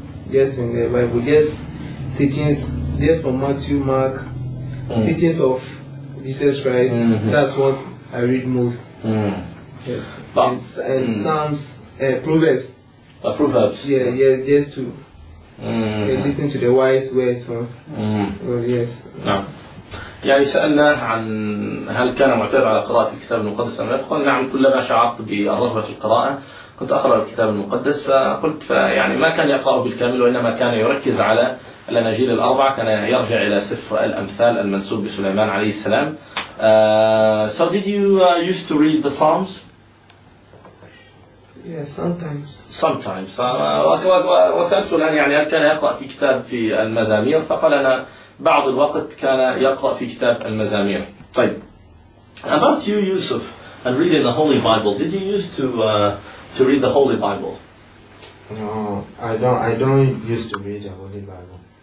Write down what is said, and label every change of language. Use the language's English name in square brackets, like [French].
[English] Yes, in the Bible, yes, teachings. Yes, from Matthew, Mark, teachings of Jesus Christ. Mm-hmm. That's what I read most. Mm. Yes. But, and Psalms, Proverbs. Proverbs. Yeah, yeah, just to mm-hmm. Listen to the wise words. Huh? Mm-hmm. Well, yes. [Arabic] نعم. يعني سألناه عن هل كان معتاد على قراءة الكتاب المقدس أم لا؟ قال نعم، كلما شعرت بالرغبة في القراءة كنت أقرأ الكتاب المقدس. فقلت يعني ما كان يقرأه بالكامل، وإنما كان يركز على الأناجيل الأربعة، كان يرجع إلى سفر الأمثال المنسوب بسليمان عليه السلام، [English] So did you used to read the Psalms? Yeah, sometimes. Sometimes. [Arabic] وسألت الآن يعني هل كان يقرأ في كتاب في المزامير؟ فقال أنا بعض الوقت كان يقرأ في كتاب المزامير. طيب. [English] About you, Yusuf, and reading the Holy Bible. Did you used to read the Holy Bible? No, I don't used to read the Holy Bible.